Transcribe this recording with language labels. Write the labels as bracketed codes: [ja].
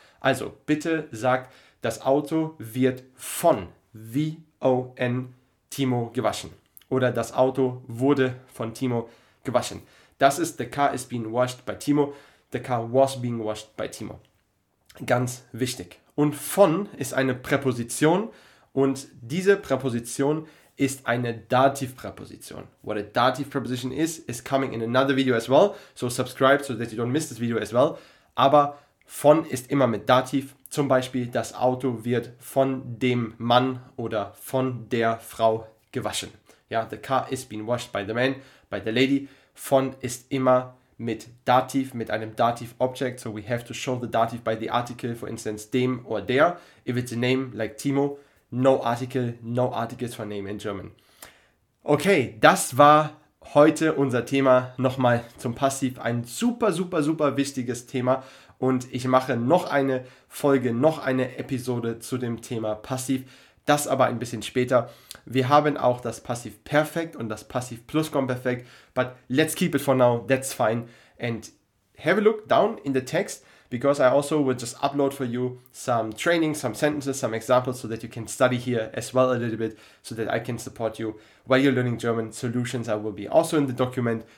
[de] Also, bitte sag, das Auto wird von, V-O-N, Timo gewaschen. Oder das Auto wurde von Timo gewaschen. Das ist, [en] the car is being washed by Timo. The car was being washed by Timo. [de] Ganz wichtig. Und von ist eine Präposition. Und diese Präposition ist eine Dativpräposition. [en] What a Dativpräposition is coming in another video as well. So subscribe so that you don't miss this video as well. [de] Aber von ist immer mit Dativ. Zum Beispiel, das Auto wird von dem Mann oder von der Frau gewaschen. [en] Ja, the car is being washed by the man, by the lady. [de] Von ist immer mit Dativ, mit einem Dativ-Object. [en] So we have to show the Dativ by the article, for instance, dem or der. If it's a name like Timo, no article, no articles for name in German. [de] Okay, das war heute unser Thema. Nochmal zum Passiv, ein super, super, super wichtiges Thema. Und ich mache noch eine Folge, noch eine Episode zu dem Thema Passiv. Das aber ein bisschen später. Wir haben auch das Passiv Perfekt und das Passiv Plusquamperfekt. [en] But let's keep it for now. That's fine. And have a look down in the text, because I also will just upload for you some training, some sentences, some examples, so that you can study here as well a little bit, so that I can support you while you're learning German. Solutions I will be also in the document.